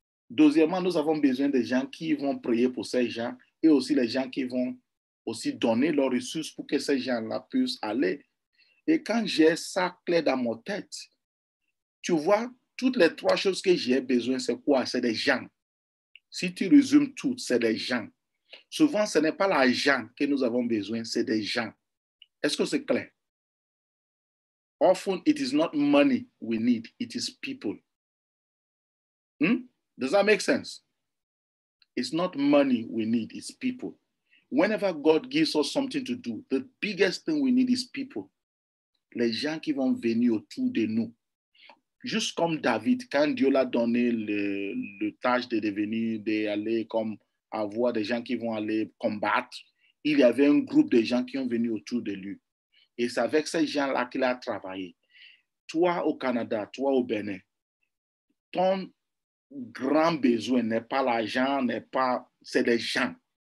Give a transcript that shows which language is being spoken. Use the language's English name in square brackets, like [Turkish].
[French] Deuxièmement, nous avons besoin des gens qui vont prier pour ces gens et aussi les gens qui vont aussi donner leurs ressources pour que ces gens-là puissent aller. Et quand j'ai ça clair dans ma tête, tu vois, toutes les trois choses que j'ai besoin, c'est quoi? C'est des gens. Si tu résumes tout, c'est des gens. Souvent, ce n'est pas l'argent que nous avons besoin, c'est des gens. Est-ce que c'est clair? [English] Often, it is not money we need, it is people. Does that make sense? It's not money we need, it's people. Whenever God gives us something to do, the biggest thing we need is people. [French] Les gens qui vont venir autour de nous. Juste comme David, quand Dieu l'a donné le tâche de devenir, d'aller comme avoir des gens qui vont aller combattre, il y avait un groupe de gens qui ont venu autour de lui. Et c'est avec ces gens-là qu'il a travaillé. Toi au Canada, toi au Bénin, ton grand besoin n'est pas l'argent, c'est les gens.